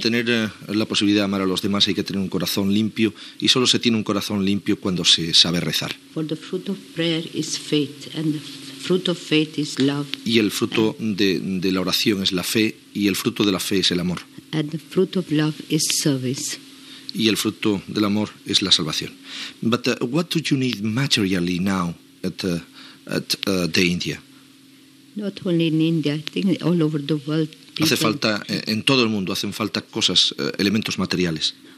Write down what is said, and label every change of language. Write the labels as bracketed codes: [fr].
[es] tener la posibilidad de amar a los demás hay que tener un corazón limpio, y solo se tiene un corazón limpio cuando se sabe rezar. [en] For the fruit of prayer is faith, and the fruit of faith is love. [es] Y el fruto de la oración es la fe, y el fruto de la fe es el amor. [en] And the fruit of love is service. [es] Y el fruto del amor es la salvación. [en] But what do you need materially now at the India? Not only in India, I think all over the world. [es] Hace falta en todo el mundo, hacen falta cosas, elementos materiales.